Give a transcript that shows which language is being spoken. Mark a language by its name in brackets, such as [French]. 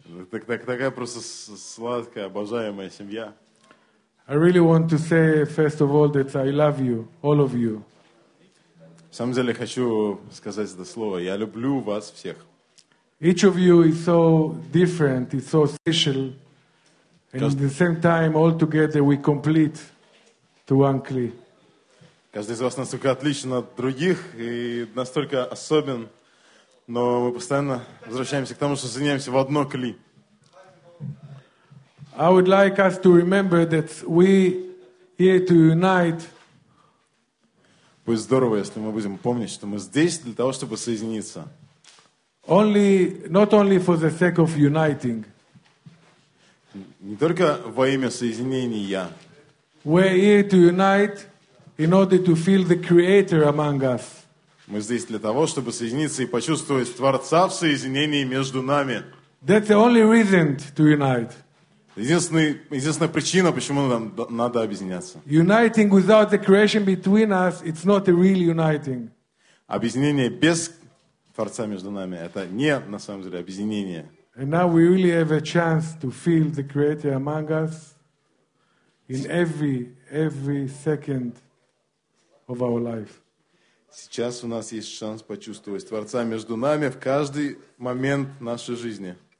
[Russian] Такая просто сладкая, обожаемая семья. [English] I really want to say, first of all, that I love you, all of you. [Russian] В самом деле, хочу сказать это слово. Я люблю вас всех. [English] Each of you is so different, it's so special. And at the same time, all together, we complete to one Kli. [Russian] Каждый из вас настолько отличен от других и настолько особен, но мы постоянно возвращаемся к тому, что соединяемся в одно кли. [English] I would like us to remember that we here to unite. [Russian] Будет здорово, если мы будем помнить, что мы здесь для того, чтобы соединиться. [English] Only, not only for the sake of uniting. [Russian] Не только во имя соединения. [English] We're here to unite. In order to feel the Creator among us. [Russian] Мы здесь для того, чтобы соединиться и почувствовать Творца в соединении между нами. [English] That's the only reason to unite. [Russian] Единственная причина, почему нам надо объединяться. [English] Uniting without the creation between us, it's not a real uniting. [Russian] Объединение без Творца между нами – это не на самом деле объединение. [English] And now we really have a chance to feel the Creator among us in every second. of our life. [Russian] Сейчас у нас есть шанс почувствовать Творца между нами в каждый момент нашей жизни.